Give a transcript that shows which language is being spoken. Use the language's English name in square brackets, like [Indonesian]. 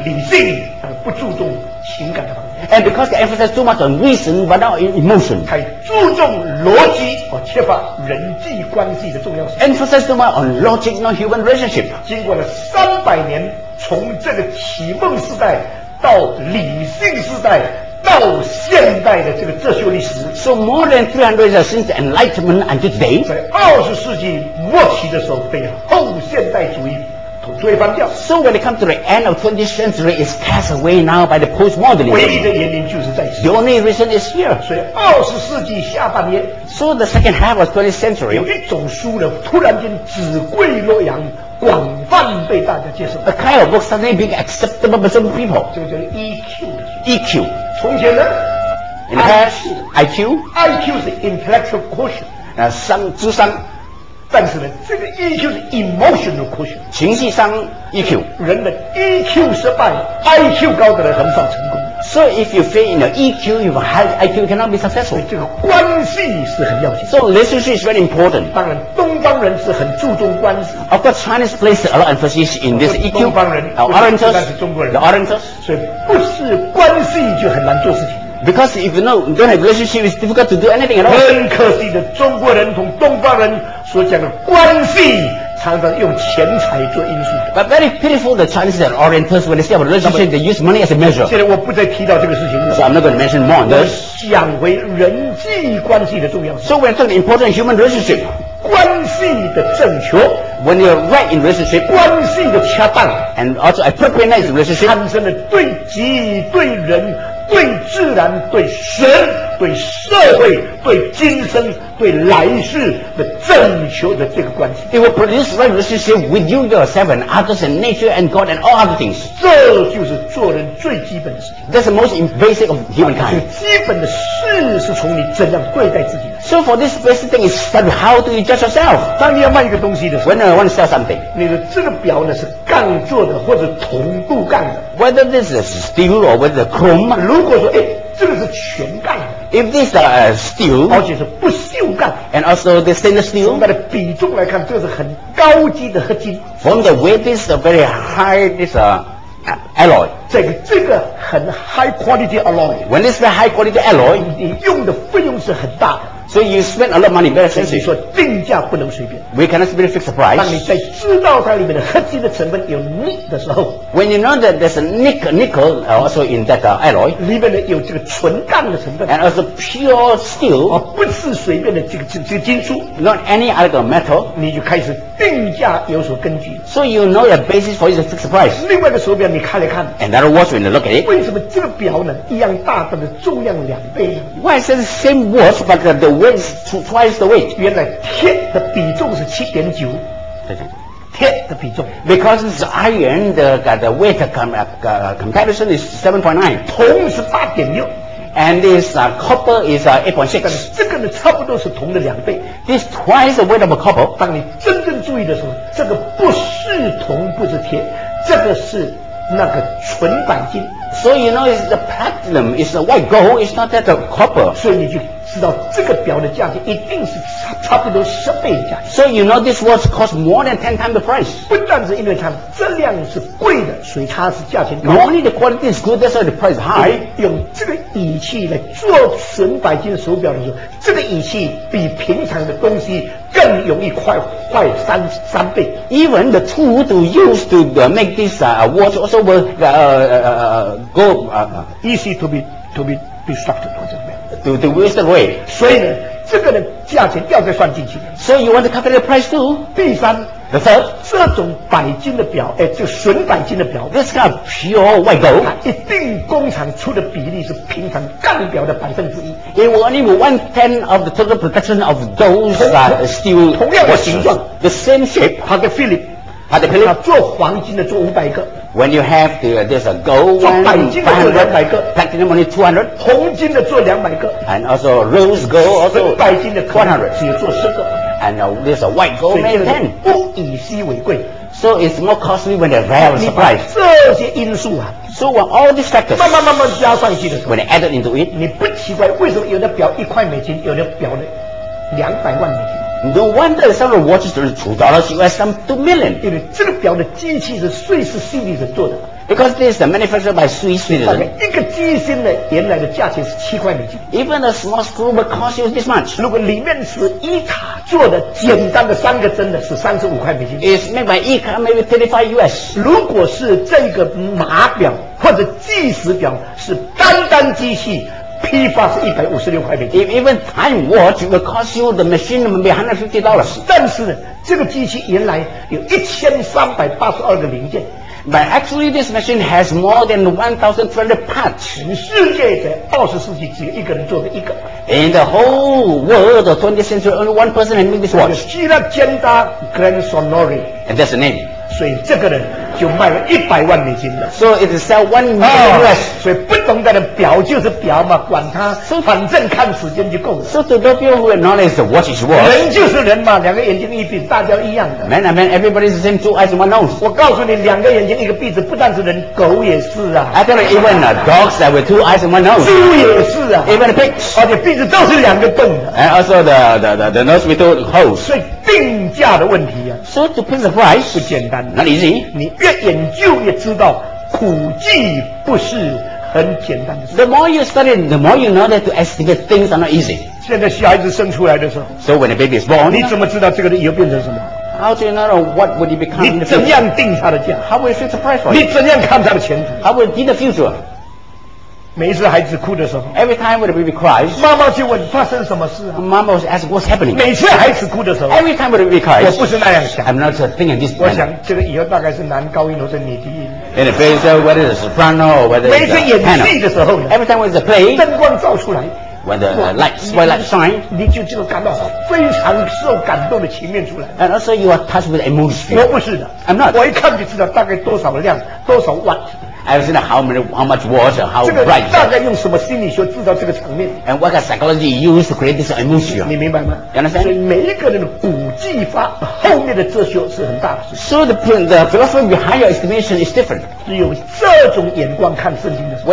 [Chinese] 理性而不注重情感的方面。 [English] And because they emphasize too much on reason but not emotion. [Chinese] 太注重逻辑而缺乏人际关系的重要性。 [English] Emphasize too much on logic not human relationship. [Chinese] 经过了三百年，从这个启蒙时代到理性时代。到现代的这个哲学历史 [English] ，So more than 300 years since Enlightenment until today， [Chinese] 在二十世纪末期的时候被后现代主义推翻掉。 [English] So when it comes to the end of 20th century, it's cast away now by the postmodernism。 [Chinese] 唯一的原因就是在此。 [English] The only reason is here。 [Chinese] 所以二十世纪下半年 [English] ，So the second half of 20th century， [Chinese] 有一种书呢突然间纸贵洛阳。广泛被大家接受 [English] ，a kind of book suddenly being acceptable by some people， [Chinese] 这个叫 EQ 的 [English] EQ， [Chinese] 从前呢 [English] ，in the past IQ 是 intellectual quotient， [Chinese] 那商智商，但是呢，这个 EQ 是 [English] emotional quotient， [Chinese] 情绪上 EQ，人的 EQ 失败 ，IQ 高的人很少成功。 [English] So if you fail in the EQ, you have IQ, you cannot be successful. [Chinese] 这个关系是很要紧。 [English] So relationship is very important. [Chinese] 当然，东方人是很注重关系。 [English] Of course, Chinese place a lot of emphasis in this EQ. [Chinese] 东方人 [English] ，Orientals, [Chinese] 但是中国人 [English] ，the Orientals. [Chinese] 所以不是关系就很难做事情。 [English] Because if you know, don't have relationship, it's difficult to do anything at all. [Chinese] 很可惜的，中国人同东方人所讲的关系。常常用钱财做因素。 [English] But very pitiful the Chinese and Orientals when they say about relationship, they use money as a measure. [Chinese] 现在我不再提到这个事情了。 [English] So I'm not going to mention more on this. [Chinese] 讲回人际关系的重要性。 [English] So when talking important human relationship, [Chinese] 关系的正确 [English] ，when you're right in relationship, [Chinese] 关系的恰当 [English] ，and also appropriate relationship, [Chinese] 产生了对己、对人、对自然、对神、对社会、对今生。对来世的正确的这个关系 [English] ，It will produce right relationship with you yourself and others and nature and God and all other things。 [Chinese] 这就是做人最基本的事情。 [English] That's the most basic of humankind。 [Chinese] 这个基本的事是从你怎样对待自己。 [English] So for this basic thing is start how do you judge yourself？ [Chinese] 当你要卖一个东西的时候 [English] ，When I want to sell something， [Chinese] 你的这个表呢是钢做的或者铜镀钢的 [English] ？Whether this is steel or whether chrome？ [Chinese] 如果说哎，这个是全钢。 [English] If this is steel, [Chinese] 而且是不锈钢 [English] ，and also the stainless steel, [Chinese] 从它的比重来看，这是很高级的合金。 [English] From the weight, this is a very high this alloy. [Chinese] 这个很 [English] high quality alloy. When this is a high quality alloy, [Chinese] 你用的费用是很大的。 [English] So you spend a lot of money, very expensive. [Chinese] 所以说定价不能随便。 [English] We cannot simply fix the price. [Chinese] 当你在知道它里面的合金的成分有镍的时候 [English] ，When you know that there's a nickel also in that alloy， [Chinese] 里面呢有这个纯钢的成分 [English] ，and also pure steel， [Chinese] 而不是随便的这个金属 [English] ，not any other metal， [Chinese] 你就开始定价有所根据。 [English] So you know the basis for the fixed price。 [Chinese] 另外的手表你看了看 [English] ，and that watch when you look at it， [Chinese] 为什么这个表呢一样大的重量两倍 [English] ？Why is the same watch but the weight twice the weight？ [Chinese] 原来铁的比重是 7.9。铁的比重 [English] ，because it's iron, the weight comparison is 7.9. [Chinese] 铜是8.6 [English] and this copper is 8.6. [Chinese] 但是这个呢，差不多是铜的两倍。 [English] This twice the weight of a copper. [Chinese] 当你真正注意的时候，这个不是铜，不是铁，这个是那个纯钣金。 [English] So you know, it's the platinum, it's the white gold, it's not that the copper. [Chinese] 所以你就知道这个表的价钱一定是差不多十倍的价钱。 [English] So you know this watch cost more than 10 times the price. [Chinese] 不但是因为它质量是贵的，所以它是价钱高。 [English] Not only the quality is good, that's why the price is high. [Chinese] 用这个仪器来做纯白金手表的时候，这个仪器比平常的东西更容易坏三倍。 [English] Even the tool to use to make this watch also will go easy to be destructed or something. To waste away. [Chinese] 所以呢，这个呢，价钱要再算进去。 [English] So you want to calculate the price too? [Chinese] 第三 [English] ，the third， [Chinese] 这种白金的表，就纯白金的表 [English] ，this kind of pure white gold， [Chinese] 它一定工厂出的比例是平常钢表的1%。 [English] It will only be 1/10 of the total production of those steel watches. [Chinese] 同样的形状 [English] ，the same shape， [Chinese] 它的 Philip，它的 Philip，做黄金的做500个。 [English] When you have there's a gold one, 500 platinum only 200, [Chinese] 红金的做200个 [English] and also rose gold also [Chinese] 白金的 400, 只做10个 [English] and there's a white gold made 10. [Chinese] 不以稀为贵 [English] so it's more costly when they rare the price. [Chinese] 这些因素啊 [English] so when all these factors [Chinese] 慢慢加上去的 [English] when added into it, [Chinese] 你不奇怪为什么有的表1块美金，有的表呢200万美金。 [English] No wonder some of the watches are $2 US, some $2 million. [Chinese] 因为这个表的机器是瑞士心理人做的。 [English] Because this is manufactured by Swiss citizen. [Chinese] 一个机芯的原来的价钱是7块美金。 [English] Even a small screw will cost you this much. [Chinese] 如果里面是伊卡做的，简单的三个针的是35块美金。 [English] It's made by 伊卡 maybe $35. [Chinese] 如果是这个码表或者计时表是单单机器。批发是156块美金。 [English] If even time watch will cost you the machine maybe $150. [Chinese] 但是呢，这个机器原来有1382个零件。 [English] But actually, this machine has more than 1,200 parts. [Chinese] 全世界在20世纪只有一个人做的一个。 [English] In the whole world of 20th century, only one person had made this watch. [Chinese] 希腊尖达 Grand Sonori. [English] And that's the name. [Chinese] 所以这个人就卖了100万美金了。 [English] So it is sell $1 million. [Chinese] 所以不懂的人表就是表嘛，管他， so, 反正看时间就够了。 [English] So to the people who acknowledge the watch is watch. [Chinese] 人就是人嘛，两个眼睛一闭，大家一样的。 [English] Man, I mean, everybody is the same, two eyes, one nose. [Chinese] 我告诉你，两个眼睛一个鼻子，不但是人，狗也是啊。 [English] I tell you, even dogs that with two eyes and one nose. [Chinese] 猪也是啊。 [English] Even pigs. [Chinese] 而且鼻子都是两个洞的。 [English] And also the nose with two holes. [Chinese] 所以定价的问题啊。 [English] So to pay the price [Chinese] 不简单。 [English] Not easy. [Chinese] 你越研究越知道，苦计不是很简单的事。 [English] The more you study, the more you know that to estimate things are not easy. [Chinese] 现在小孩子生出来的时候 [English] ，So when the baby is born, [Chinese] 你怎么知道这个人以后变成什么？ [English] How do you know what would it become? [Chinese] 你怎样定他的价 [English] ？How will you fix the price for [Chinese] it? 你怎样看他的前途 [English] ？How will you see the future? [Chinese] 每一次孩子哭的时候 [English] ，Every time when the baby cries, [Chinese] 妈妈就问发生什么事啊 [English] ？Mama was asking what's happening. [Chinese] 每次孩子哭的时候 [English] ，Every time when the baby cries, [Chinese] 我不是那样想 [English] ，I'm not thinking this. [Chinese] 我想这个以后大概是男高音或者女低音。 [English] In the face of whether it's soprano or whether it's tenor. [Chinese] 每次演戏的时候 [English] ，Every time when the play, [Chinese] 灯光照出来。 [English] When the light shine, [Chinese] 你就感到非常受感动的情面出来。 [English] And also you are touched with emotion. [Chinese] 我不是的 [English] ，I'm not. [Chinese] 我一看就知道大概多少量，多少瓦。 [English] I've seen how much water, how bright. [Chinese] 这个大概用什么心理学制造这个场面 [English] ？And what kind of psychology you use to create this emotion? [Chinese] 你明白吗 [English] ？You understand? [Chinese] 所以每一个人的古技法后面的哲学是很大的。 [English] So the philosophy behind your estimation is different. [Chinese] 只有这种眼光看圣经的时候